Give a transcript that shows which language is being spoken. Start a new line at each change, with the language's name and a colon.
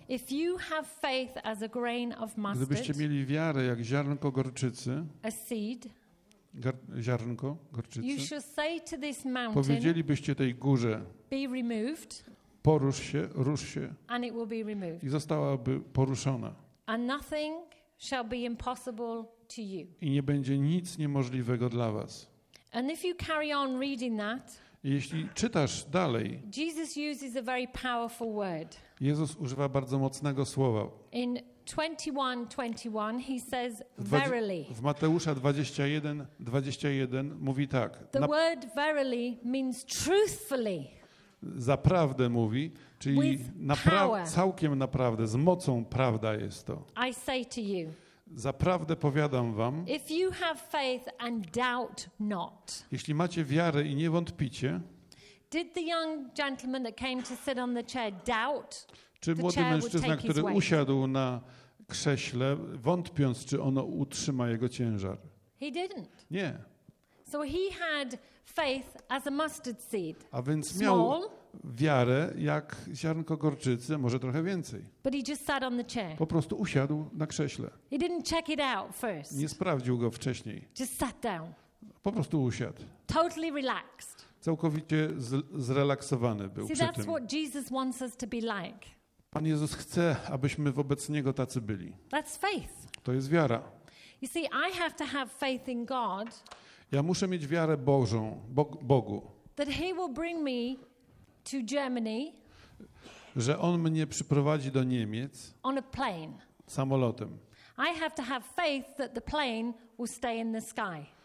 English: If you have faith as a grain of mustard.
Polish: Gdybyście mieli wiarę jak ziarnko gorczycy.
English: A seed.
Polish: Ziarnko gorczycy.
English: You shall say to this mountain.
Polish: Powiedzielibyście tej górze.
English: Be removed.
Polish: Porusz się, rusz się.
English: And it will be removed.
Polish: I zostałaby poruszona.
English: And nothing shall be impossible to you.
Polish: I nie będzie nic niemożliwego dla was.
English: And if you carry on reading that,
Polish: Jeśli czytasz dalej,
English: Jesus uses a very powerful word.
Polish: Jezus używa bardzo mocnego słowa.
English: In 21:21 he says verily.
Polish: W Mateusza 21:21 mówi tak.
English: The word verily means truthfully.
Polish: Zaprawdę mówi, czyli całkiem naprawdę, z mocą prawda jest to.
English: I say to you.
Polish: Zaprawdę powiadam wam.
English: If you have faith and doubt not.
Polish: Jeśli macie wiarę i nie wątpicie.
English: Did the young gentleman that came to sit on the chair doubt?
Polish: Czy młody mężczyzna, który usiadł na krześle, wątpiąc, czy ono utrzyma jego ciężar?
English: He didn't.
Polish: Nie.
English: So he had faith as a mustard seed.
Polish: A więc miał wiarę jak ziarnko gorczycy, może trochę więcej.
English: But he just sat on the chair.
Polish: Po prostu usiadł na krześle.
English: He didn't check it out first.
Polish: Nie sprawdził go wcześniej.
English: Just sat down.
Polish: Po prostu usiadł.
English: Totally relaxed.
Polish: Całkowicie zrelaksowany był.
English: See,
Polish: przy
English: that's
Polish: tym.
English: What Jesus wants us to be like.
Polish: Pan Jezus chce, abyśmy wobec Niego tacy byli.
English: That's faith.
Polish: To jest wiara.
English: You see, I have to have faith in God.
Polish: Ja muszę mieć wiarę Bożą, Bogu.
English: That he will bring me to Germany,
Polish: że On mnie przyprowadzi do Niemiec
English: on a plane.
Polish: Samolotem.
English: I have to have faith that the plane will stay in the sky.